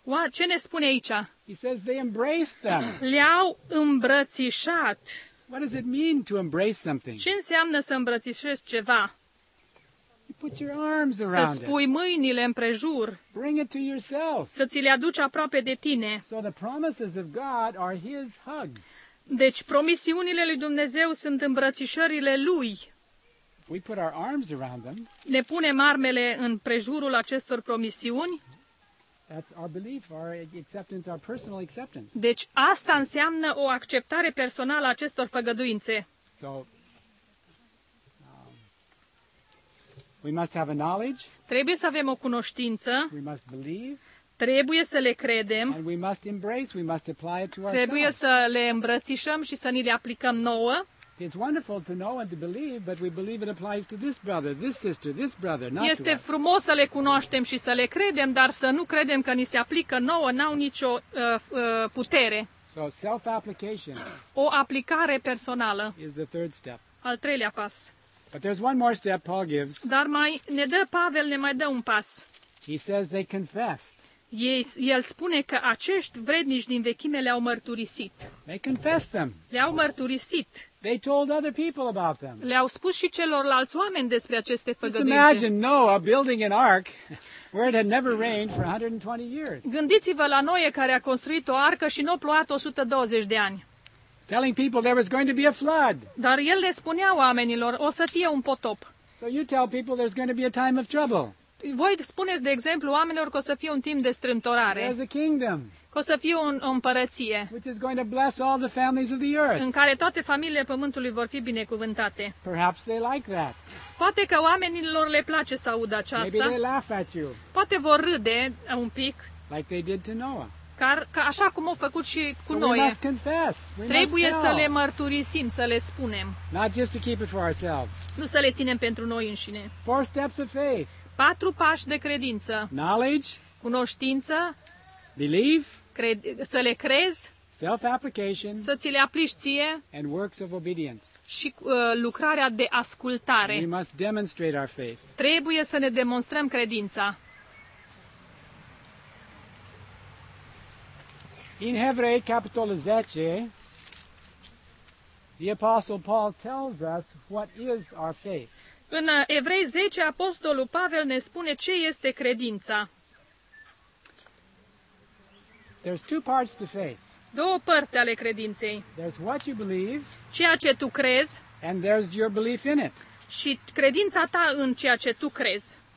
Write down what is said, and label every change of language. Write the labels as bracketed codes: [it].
[ro] Ce ne spune aici? [en] He says they embraced them. [ro] Le-au îmbrățișat. [en] What does it mean to embrace something? [ro] Ce înseamnă să îmbrățișezi ceva? [en] You put your arms around it. [ro] Să-ți pui mâinile împrejur. [en] Bring it to yourself. [ro] Să ți le aduci aproape de tine. [en] So the promises of God are his hugs. [ro] Deci promisiunile lui Dumnezeu sunt îmbrățișările lui. [en] We put our arms around them. [ro] Ne punem armele în prejurul acestor promisiuni. [en] That's our belief, our acceptance, our personal acceptance. [ro] Deci asta înseamnă o acceptare personală a acestor făgăduințe. [en] So, we must have a knowledge. [ro] Trebuie să avem o cunoștință. [en] We must believe. [ro] Trebuie să le credem. [en] And we must embrace, we must apply it to ourselves. [ro] Trebuie să le îmbrățișăm și să ni le aplicăm nouă. [en] It's wonderful to know and to believe, but we believe it applies to this brother, this sister, this brother, not [ro] este [en] to us. [ro] Este frumos să le cunoaștem și să le credem, dar să nu credem că ni se aplică nouă, n-au nicio putere. [en] So self-application. [ro] O aplicare personală. [en] Is the third step. [ro] Al treilea pas. [en] But there's one more step Paul gives. [ro] Dar mai ne dă Pavel, ne mai dă un pas. [en] He says they confessed. [ro] El spune că acești vrednici din vechime le-au mărturisit. [en] They confessed them. [ro] Le-au mărturisit. [en] They told other people about them. [ro] Le-au spus și celorlalți oameni despre aceste făgăduințe. [en] Just imagine Noah building an ark where it had never rained for 120 years. [ro] Gândiți-vă la Noe care a construit o arcă și nu a plouat 120 de ani. [en] Telling people there was going to be a flood. [ro] Dar el le spunea oamenilor, o să fie un potop. [en] So you tell people there's going to be a time of trouble. [ro] Voi spuneți, de exemplu, oamenilor că o să fie un timp de strâmtorare. [en] There's a kingdom. [ro] Că o să fie o împărăție. [en] Which is going to bless all the families of the earth. [ro] În care toate familiile pământului vor fi binecuvântate. [en] Perhaps they like that. [ro] Poate că oamenilor le place să audă aceasta. [en] Maybe they laugh at you. [ro] Poate vor râde un pic. [en] Like they did to Noah. [ro] Ca așa cum au făcut și cu [en] so [ro] Noe. [en] We must confess. We [ro] trebuie [en] must [ro] să le mărturisim, să le spunem. [en] Not just to keep it for ourselves. [ro] Nu să le ținem pentru noi înșine. [en] Four steps of faith. [ro] Patru pași de credință. [en] Knowledge. [ro] Cunoștință. [en] Believe. [ro] Să le crezi. [en] Self-application. [ro] Să ți le aplici ție. [en] And works of obedience. [ro] Și lucrarea de ascultare. [en] We must demonstrate our faith. [ro] Trebuie să ne demonstrăm credința. [en] In Evrei capitolul 10, the apostle Paul tells us what is our faith. [ro] În Evrei 10, apostolul Pavel ne spune ce este credința. [en] There's two parts to faith. [ro] Două părți ale credinței. [en] There's what you believe. [ro] Ceea ce tu crezi. [en] And there's your belief in it. [ro] Și credința ta în ceea ce tu crezi.